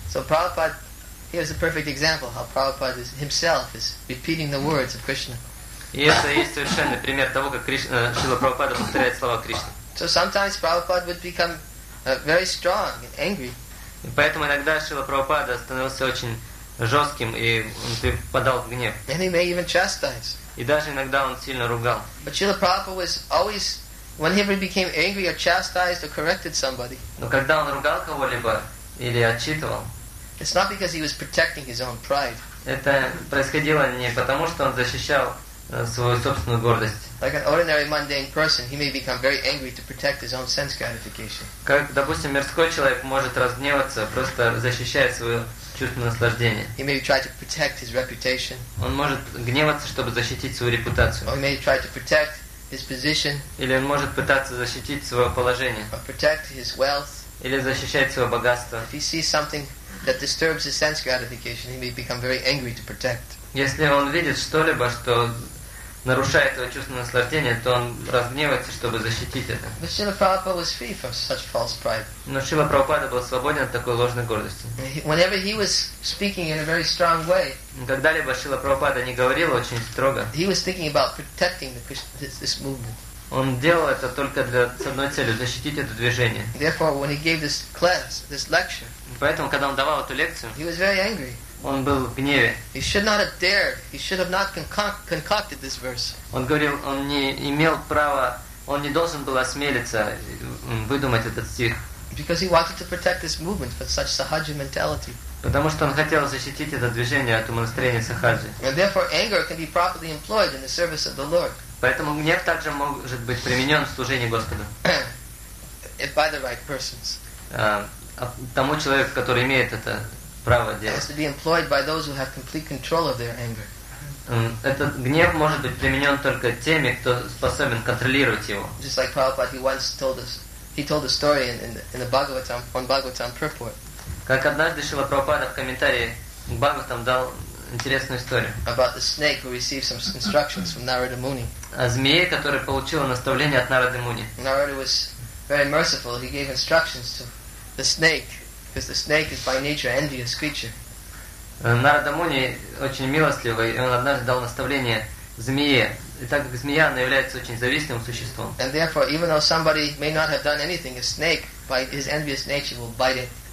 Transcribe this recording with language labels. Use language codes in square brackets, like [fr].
[en] So Prabhupada, here's a perfect example how Prabhupada himself is repeating the words of Krishna. [ru] И это есть совершенный пример того, как Шрила Прабхупада повторяет слова Кришны. [en] So sometimes Prabhupada would become very strong and angry. [ru] И поэтому иногда Шрила Прабхупада становился очень жестким, и он впадал в гнев. [en] And he may even chastise. [ru] И даже иногда он сильно ругал. [en] But Srila Prabhupada was always, whenever he became angry or chastised or corrected somebody. [ru] Но когда он ругал кого-либо или отчитывал, [en] it's not because he was protecting his own pride. [ru] Это происходило не потому, что он защищал свою собственную гордость. [en] Like an ordinary mundane person, he may become very angry to protect his own sense gratification. [ru] Как, допустим, мирской человек может разгневаться, просто защищая свое чувство наслаждения. [en] He may try to protect his reputation. [ru] Он может гневаться, чтобы защитить свою репутацию. [en] Or he may try to protect his position. [ru] Или он может пытаться защитить свое положение. [en] Or protect his wealth. [ru] Или защищать свое богатство. [en] If he sees something that disturbs his sense gratification, he may become very angry to protect. [ru] Если он видит что-либо, что нарушает его чувство наслаждения, то он разгневается, чтобы защитить это. [en] But Srila Prabhupada was free from such false pride. [ru] Но Шрила Прабхупада был свободен от такой ложной гордости. [en] Whenever he was speaking in a very strong way, [ru] когда-либо Шрила Прабхупада не говорил очень строго, [en] he was thinking about protecting this movement. [ru] Он делал это только с одной целью – защитить это движение. [en] Therefore, when he gave this class, this lecture, [ru] поэтому, когда он давал эту лекцию, [en] he was very angry. [ru] Он был в гневе. [en] He should not have dared. He should have not concocted this verse. [ru] Он говорил, он не имел права, он не должен был осмелиться выдумать этот стих. [en] Because he wanted to protect this movement with such sahaja mentality. [ru] Потому что он хотел защитить это движение от умонастроения сахаджи. [en] And therefore anger can be properly employed in the service of the Lord. [ru] Поэтому гнев также может быть применен в служении Господу. [en] By the right persons. [ru] Тому человеку, который имеет это право делать. [en] It has to be employed by those who have complete control of their anger. [ru] Этот гнев может быть применен только теми, кто способен контролировать его. [en] Just like Prabhupada, he once told us, he told a story in the Bhagavatam, on Bhagavatam purport. [ru] Как однажды Шрила Прабхупада в комментарии к Бхагаватам дал интересную историю. [en] About the snake who received some instructions from Narada Muni. [ru] О змее, которая получила наставление от Нарады Муни. [en] Narada was very merciful. He gave instructions to the snake, because the snake is by nature an envious creature. [ru] Нарада Муни очень милостливый, и он однажды дал наставление змее. И так как змея, она является очень завистливым существом. [en] And therefore, even though somebody may not have done anything, a snake, by his envious nature, will bite it.